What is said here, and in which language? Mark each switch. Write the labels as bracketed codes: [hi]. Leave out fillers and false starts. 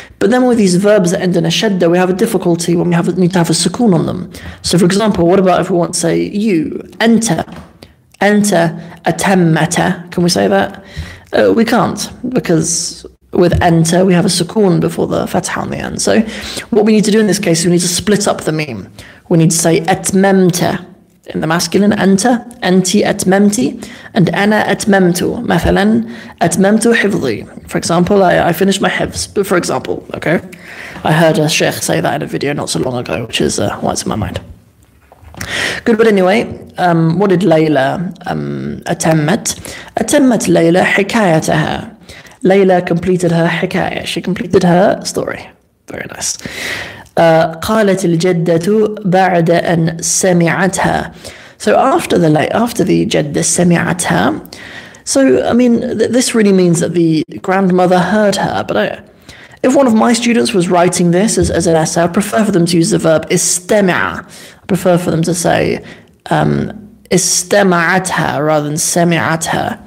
[en] But then with these verbs that end in a shedda, we have a difficulty when we have need to have a sukun on them. So for example, what about if we want to say you, enter. Enter atemmeta. Can we say that? We can't, because with enter, we have a sukun before the fatha on the end. So what we need to do in this case, we need to split up the meme. We need to say etmemte in the masculine, enter, enti etmemti, and ana etmemtu, [ar] methalen etmemtu hivli. [en] For example, I finished my hivs, but for example, okay? I heard a sheikh say that in a video not so long ago, which is why it's in my mind. Good, but anyway, what did Layla atemmet? [ar] Atemmet Layla hikayataha. [en] Layla completed her hikaya. She completed her story. Very nice. [ar] قالت الجدة بعد أن سمعتها. [en] So after the [ar] جدة سمعتها. [en] So I mean, this really means that the grandmother heard her. But if one of my students was writing this as an essay, I prefer for them to use the verb استمع. I prefer for them to say استمعتها rather than سمعتها.